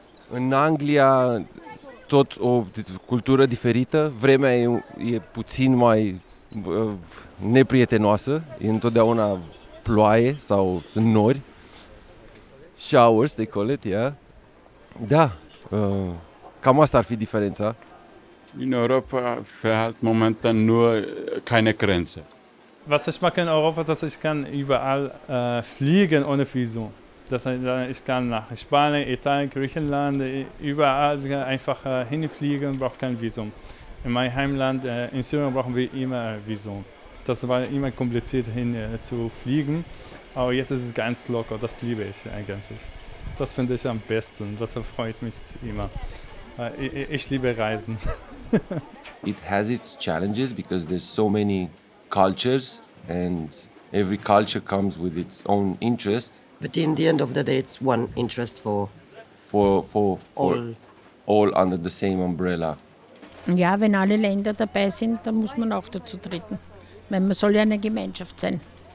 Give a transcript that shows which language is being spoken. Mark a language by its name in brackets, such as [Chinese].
[Romanian] În Anglia tot o cultură diferită, vremea e puțin mai neprietenoasă, e întotdeauna ploaie sau sunt nori. [English] Showers, they call it, yeah. [Romanian] Da, cam asta ar fi diferența. [German] In Europa fährt momentan nur keine Grenze. Was ich mache in Europa, dass ich kann überall fliegen ohne Visum. Das heißt, ich kann nach Spanien, Italien, Griechenland, überall einfach hinfliegen, brauche kein Visum. In meinem Heimland, in Syrien, brauchen wir immer Visum. Das war immer kompliziert, hin zu fliegen. Aber jetzt ist es ganz locker, das liebe ich eigentlich. Das finde ich am besten, das freut mich immer. Ich liebe Reisen. [English] It has its challenges because there's so many cultures and every culture comes with its own interest. But in the end of the day, it's one interest for all under the same umbrella. [German] Ja, wenn alle Länder dabei sind, dann muss man auch dazu treten. Man soll ja eine Gemeinschaft sein.